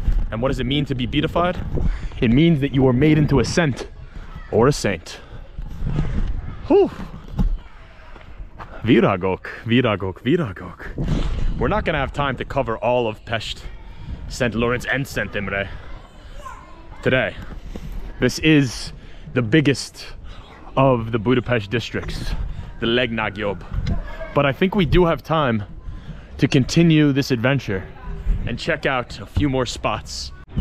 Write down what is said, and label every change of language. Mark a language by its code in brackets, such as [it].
[en] And what does it mean to be beatified? It means that you are made into a saint or a saint. Whew! [hu] Virágok, virágok, virágok. [en] We're not gonna have time to cover all of Pest, Szent Lawrence, and Szent Imre today. This is the biggest of the Budapest districts, the legnagyobb. But I think we do have time to continue this adventure and check out a few more spots.